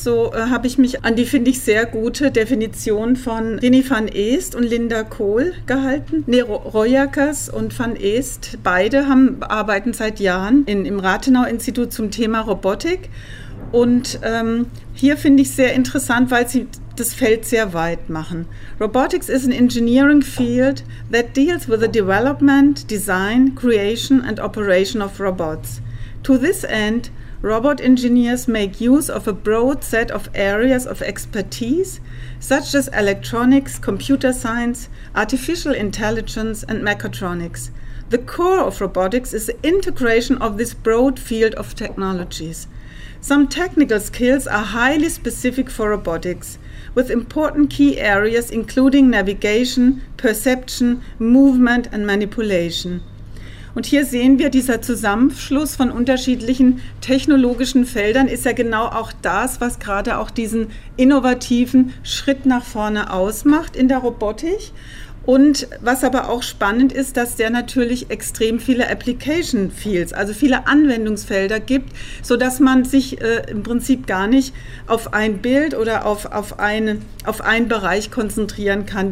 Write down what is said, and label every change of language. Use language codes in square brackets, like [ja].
[de] So habe ich mich an die, finde ich, sehr gute Definition von Rini van Eest und Linda Kohl gehalten. Nero Royakas und van Eest, beide arbeiten seit Jahren im Rathenau-Institut zum Thema Robotik. Und hier finde ich sehr interessant, weil sie das Feld sehr weit machen. [en] Robotics is an engineering field that deals with the development, design, creation and operation of robots. To this end, robot engineers make use of a broad set of areas of expertise, such as electronics, computer science, artificial intelligence, and mechatronics. The core of robotics is the integration of this broad field of technologies. Some technical skills are highly specific for robotics, with important key areas including navigation, perception, movement, and manipulation. [de] Und hier sehen wir, dieser Zusammenschluss von unterschiedlichen technologischen Feldern ist ja genau auch das, was gerade auch diesen innovativen Schritt nach vorne ausmacht in der Robotik. Und was aber auch spannend ist, dass der natürlich extrem viele Application Fields, also viele Anwendungsfelder gibt, sodass man sich im Prinzip gar nicht auf ein Bild oder auf einen Bereich konzentrieren kann.